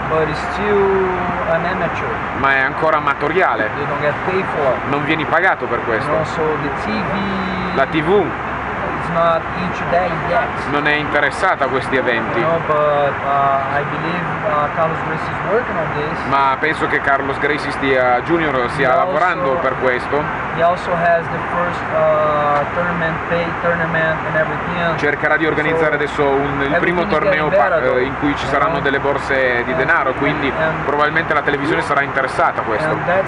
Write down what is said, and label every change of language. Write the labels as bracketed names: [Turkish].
[English] But it's still an amateur. [Italian] Ma è ancora amatoriale. [English] You don't get paid for. [Italian] Non vieni pagato per questo. [English] The TV, [Italian] la TV [English] is not into that yet. [Italian] Non è interessata a questi eventi. [English] You know, but, I believe, Carlos Gracie is working on this. [Italian] Ma penso che Carlos Gracie Junior stia lavorando per questo. [English] He also has the first tournament, pay tournament and everything. [Italian] Cercherà di organizzare adesso il primo torneo in cui ci saranno delle borse di denaro, quindi probabilmente la televisione sarà interessata a questo.